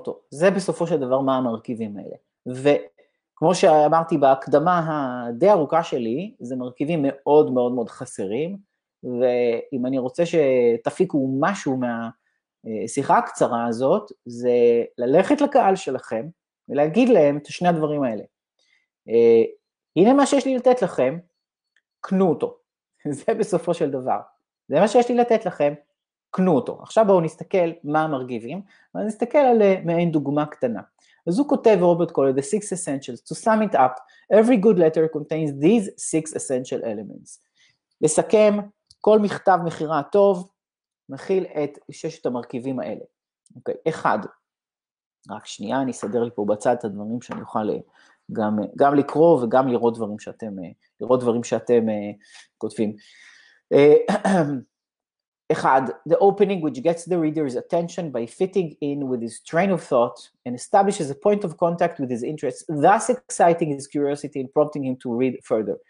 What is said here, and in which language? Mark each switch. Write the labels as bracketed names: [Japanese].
[Hebrew] זה בסופו של דבר מה המרכיבים האלה. וכמו שאמרתי בהקדמה הדי ארוכה שלי, זה מרכיבים מאוד מאוד מאוד חסרים, ואם אני רוצה שתפיקו משהו מהשיחה הקצרה הזאת, זה ללכת לקהל שלכם ולהגיד להם את שני הדברים האלה. הנה מה שיש לי לתת לכם, קנו אותו. זה בסופו של דבר. זה מה שיש לי לתת לכם, קנו אותו. עכשיו בואו נסתכל מה המרגיבים, ונסתכל על מעין דוגמה קטנה. אז הוא כותב [English] רוברט קולייר, The Six Essentials, to sum it up, every good letter contains these six essential elements. [Hebrew] לסכם, כל מכתב מכירה טוב, מכיל את ששת המרכיבים האלה. אוקיי, אחד, רק שנייה, אני אסדר לי פה בצד את הדברים שאני אוכל גם לקרוא וגם לראות דברים שאתם, כותבים. [English] אחד, the opening which gets the reader's attention by fitting in with his train of thought and establishes a point of contact with his interests, thus exciting his curiosity and prompting him to read further.